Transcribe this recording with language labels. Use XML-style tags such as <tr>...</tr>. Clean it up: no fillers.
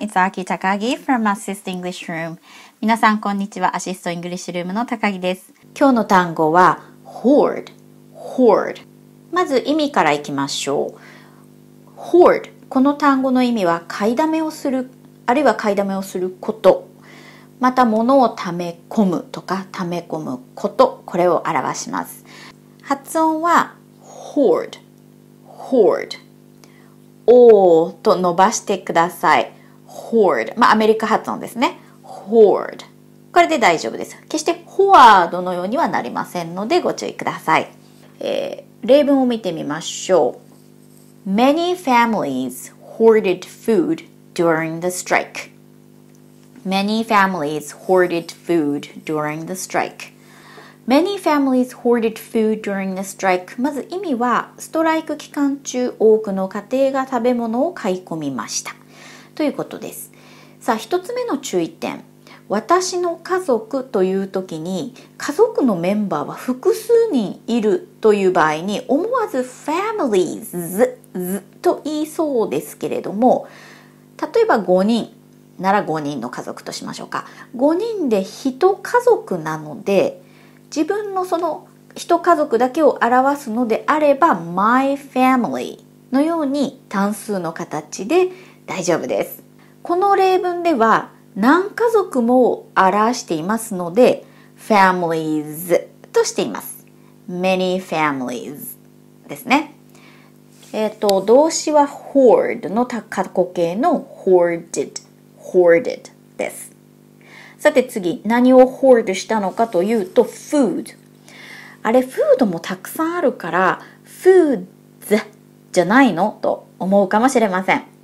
<en>It's Aki Takagi from Assist English Room.</en> <ja>皆さん、こんにちは。アシストイングリッシュルームの高木です。今日の単語は、hoard。</ja> <en>hoard。</en> <ja>まず意味からいきましょう。</ja> <en>hoard。</en> <ja>この単語の意味は、買いだめをする、あるいは買いだめをすること。また、物をため込むとか、ため込むこと。これを表します。発音は、</ja> <en>hoard。 hoard。</en> <ja>おと伸ばしてください。</ja> <en>hoard。</en> <ja>まあ、アメリカ発音ですね。</ja> <en>hoard。</en> <ja>これで大丈夫です。決して hoard のようにはなりませんのでご注意ください。例文を見てみましょう。</ja> <en>Many families hoarded food during the strike. Many families hoarded food during the strike. Many families hoarded food during the strike.</en> <ja>まず意味は、ストライク期間中多くの家庭が食べ物を買い込みましたということです。さあ、一つ目の注意点。私の家族という時に、家族のメンバーは複数人いるという場合に、思わず families と言いそうですけれども、例えば5人なら5人の家族としましょうか。 5人で1家族なので、自分のその一家族だけを表すのであれば</ja> <en>my family</en> <ja>のように単数の形で大丈夫です。この例文では何家族も表していますので families としています。</ja> <en>many families</en> <ja>ですね。動詞は hoard の過去形の hoarded、</ja> <en>hoarded</en> <ja>です。さて次、何をホールドしたのかというと、food。あれ、food もたくさんあるから、foods じゃないのと思うかもしれません。</ja>